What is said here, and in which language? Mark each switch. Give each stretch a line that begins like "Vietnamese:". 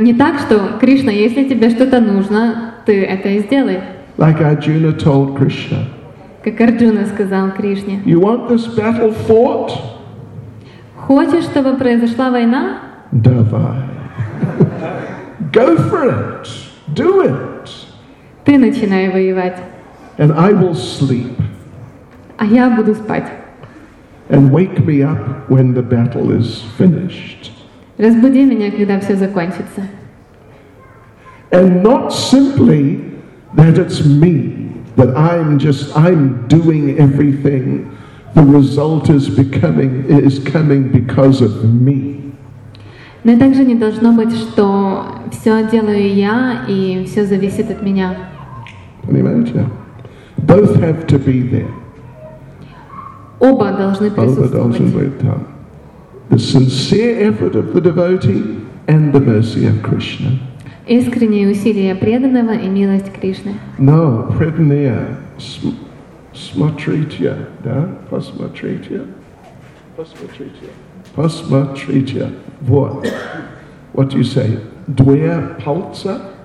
Russian: Не так, что Кришна, если тебе что-то нужно, ты это и сделай.
English: Like Arjuna told Krishna.
Russian: Как Арджуна сказал Кришне.
English: You want this battle fought?
Russian: Хочешь, чтобы произошла война? Давай.
English: Go for it. Do it.
Russian: Ты начинай воевать.
English: And I will sleep.
Russian: А я буду спать.
English: And wake me up when the battle is finished.
Russian: Разбуди меня, когда все закончится.
English: And not simply that it's me, that I'm doing everything, the result is coming because of me.
Russian: Но также не должно быть, что все делаю я и все зависит от меня. Понимаете?
English: Both have to be there.
Russian: Оба должны присутствовать. Оба должны быть там.
English: The sincere effort of the devotee and the mercy of Krishna.
Russian: Искренние усилия преданного и милость Кришны. No, преданное, смотрите, да, посмотрите. Вот.
English: What do you say?
Russian: Две пальца?